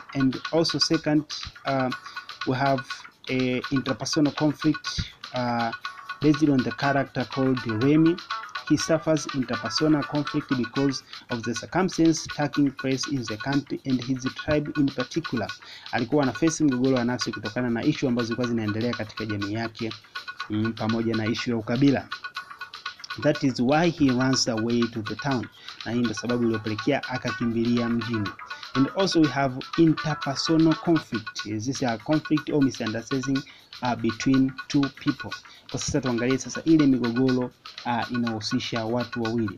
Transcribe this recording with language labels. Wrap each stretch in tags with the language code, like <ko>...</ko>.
<en>And also second, we have a interpersonal conflict based on the character called Remi. He suffers interpersonal conflict because of the circumstance taking place in the country and his tribe in particular.</en> <sw>Alikuwa na face mgogoro wa nafsi kutokana na issue ambazo zilikuwa zinaendelea katika jamii yake, pamoja na issue ya ukabila.</sw> <en>That is why he runs away to the town.</en> <sw>Na hii ndio sababu iliyopelekea akakimbilia mjini.</sw> <en>And also we have interpersonal conflict. Is this a conflict or misunderstanding between two people?</en> <sw>Kwa sasa tuangalie sasa ile migogoro inahusisha watu wawili.</sw>